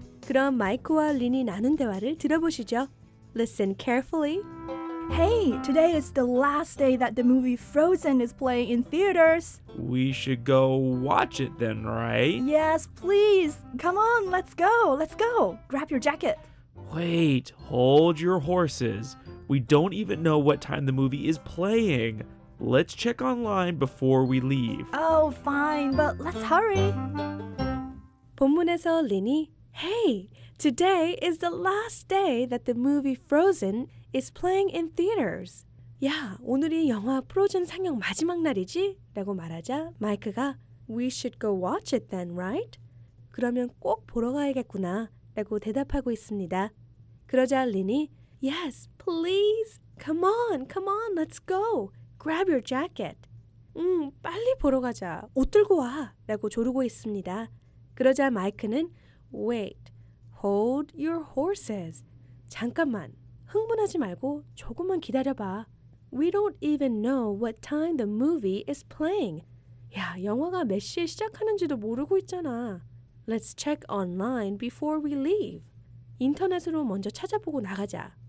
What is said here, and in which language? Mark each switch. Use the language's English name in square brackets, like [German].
[Korean] 그럼 마이크와 린이 나눈 대화를 들어보시죠. [English] Listen carefully. Hey, today is the last day that the movie Frozen is playing in theaters. We should go watch it then, right? Yes, please. Come on, let's go. Let's go. Grab your jacket. Wait, hold your horses. We don't even know what time the movie is playing. Let's check online before we leave. Oh, fine, but let's hurry. [Korean] 본문에서 린이, [English] Hey, today is the last day that the movie Frozen is playing in theaters. [Korean] 야, 오늘이 영화 프로즌 상영 마지막 날이지? 라고 말하자 마이크가 [English] We should go watch it then, right? [Korean] 그러면 꼭 보러 가야겠구나 라고 대답하고 있습니다. 그러자 린이, [English] Yes, please. Come on, come on, let's go. Grab your jacket. [Korean] 빨리 보러 가자. 옷 들고 와. 라고 조르고 있습니다. 그러자 마이크는 [English] Wait, hold your horses. [Korean] 잠깐만, 흥분하지 말고 조금만 기다려봐. [English] We don't even know what time the movie is playing. [Korean] 야, 영화가 몇 시에 시작하는지도 모르고 있잖아. [English] Let's check online before we leave. [Korean] 인터넷으로 먼저 찾아보고 나가자.